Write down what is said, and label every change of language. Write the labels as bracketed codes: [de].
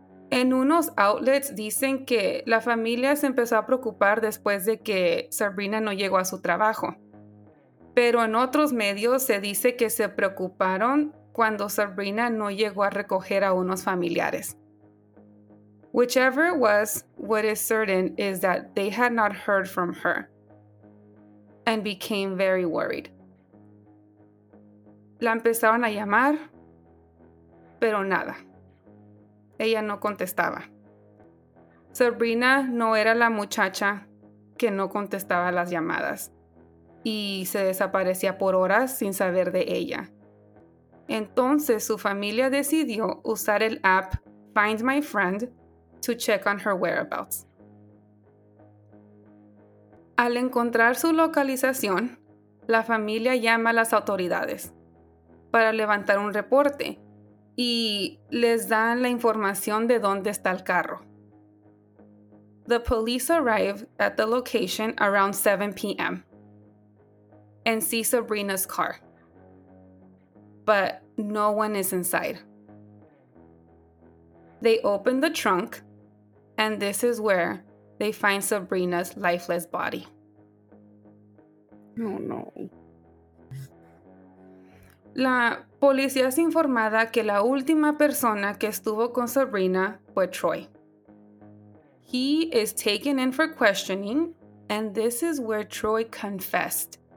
[es] En unos outlets dicen que la familia se empezó a preocupar después de que Sabrina no llegó a su trabajo. Pero en otros medios se dice que se preocuparon cuando Sabrina no llegó a recoger a unos familiares. [en] Whichever it was, what is certain is that they had not heard from her and became very worried. [es] La empezaron a llamar, pero nada. Ella no contestaba. Sabrina no era la muchacha que no contestaba las llamadas y se desaparecía por horas sin saber de ella. Entonces su familia decidió usar el app Find My Friend [en] to check on her whereabouts. [es] Al encontrar su localización, la familia llama a las autoridades para levantar un reporte. Y les dan la información de dónde está el carro. [en] The police arrive at the location around 7 p.m. and see Sabrina's car. But no one is inside. They open the trunk, and this is where they find Sabrina's lifeless body. Oh, no. [es] La policía es informada que la última persona que estuvo con Sabrina fue Troy. [en] He is taken in for questioning, and this is where Troy confessed.